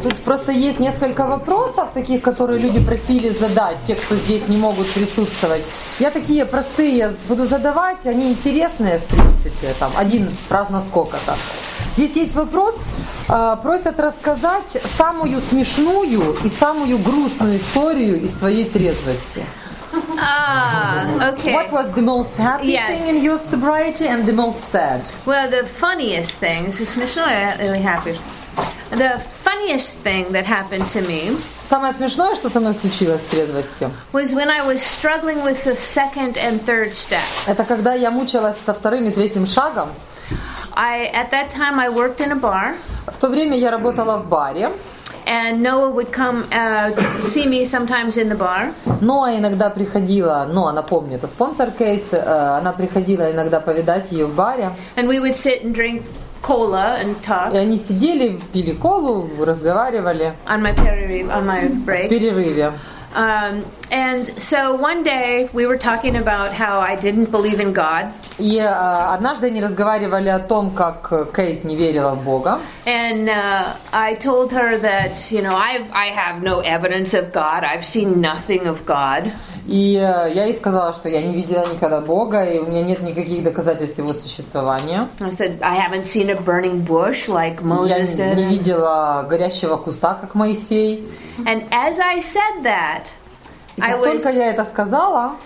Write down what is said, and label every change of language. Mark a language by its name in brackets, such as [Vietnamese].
[Russian] Тут просто есть несколько вопросов, таких, которые люди просили задать, те, кто здесь не могут присутствовать. Я такие простые буду задавать, они интересные, в принципе, там, один раз на сколько-то. Здесь есть вопрос, просят рассказать самую смешную и самую грустную историю из твоей трезвости. [English] Okay. What was the most happy thing in your sobriety and the most sad? Well, the funniest thing, this is смешное, really happiest. The funniest thing that happened to me. [Russian] Самое смешное, что со мной случилось в трезвости. [English] Was when I was struggling with the second and third step. [Russian] Это когда я мучилась со вторым и третьим шагом. [English] I at that time I worked in a bar. [Russian] В то время я работала в баре. [English] And Noah would come see me sometimes in the bar. [Russian] Ноа иногда приходила, но она помнит, это спонсор Кейт, она приходила иногда повидать ее в баре. [English] And we would sit and drink cola and talk. [Russian] И они сидели, пили колу, разговаривали. [English] On my break. [Russian] В перерыве. [English] And so one day we were talking about how I didn't believe in God. [Russian] И однажды они разговаривали о том, как Кейт не верила в Бога. [English] And I told her that, you know, I have no evidence of God. I've seen nothing of God. [Russian] И я ей сказала, что я не видела никогда Бога, и у меня нет никаких доказательств его существования. [English] I said I haven't seen a burning bush like Moses did. [Russian] Я не видела горящего куста, как Моисей. [English] And as I said that, [Russian] и как только я это сказала,